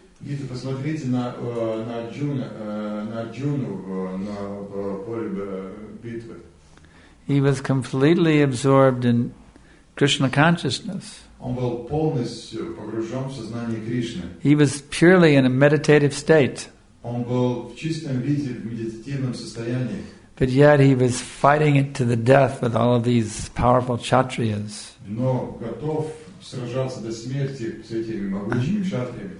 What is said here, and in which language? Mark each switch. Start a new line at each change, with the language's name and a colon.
Russian: Gita, посмотрите на Арджуну в поле битвы.
English: He was completely absorbed in Krishna consciousness.
Russian: Он был полностью погружен в сознание Кришны.
English: He was purely in a meditative state.
Russian: Он был в чистом виде в медитативном состоянии.
English: But yet he was fighting it to the death with all of these powerful kshatriyas.
Russian: Но готов сражаться до смерти с этими могучими кшатриями.